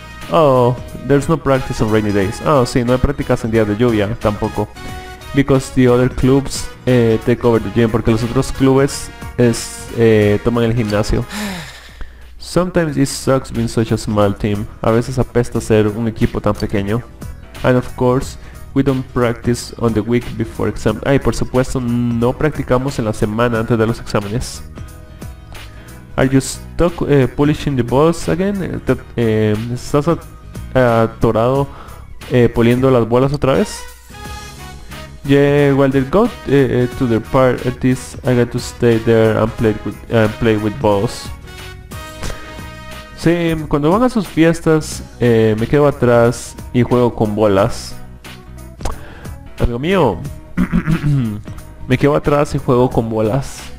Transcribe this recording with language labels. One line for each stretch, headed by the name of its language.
English: Oh, there's no practice on rainy days.
Spanish: Oh, sí, no hay prácticas en días de lluvia tampoco.
English: Because the other clubs take over the gym,
Spanish: porque los otros clubes toman el gimnasio.
English: Sometimes it sucks being such a small team.
Spanish: A veces apesta ser un equipo tan pequeño.
English: And of course, we don't practice on the week before exam.
Spanish: Ay, por supuesto, no practicamos en la semana antes de los exámenes.
English: Are you stuck polishing the balls again?
Spanish: ¿Estás atorado puliendo las bolas otra vez?
English: Yeah, well, they go to their parties. I got to stay there and play with balls.
Spanish: Sí, cuando van a sus fiestas, me quedo atrás y juego con bolas. Amigo mío, me quedo atrás y juego con bolas.